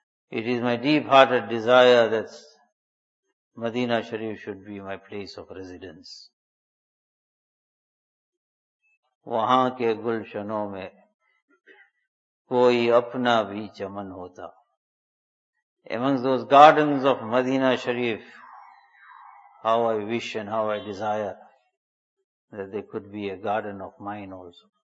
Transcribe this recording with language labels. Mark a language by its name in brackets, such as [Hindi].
[English] It is my deep-hearted desire that Madina Sharif should be my place of residence. [Urdu] وہاں کے گلشنوں میں کوئی اپنا بھی چمن ہوتا. [English] Amongst those gardens of Madina Sharif, how I wish and how I desire that there could be a garden of mine also.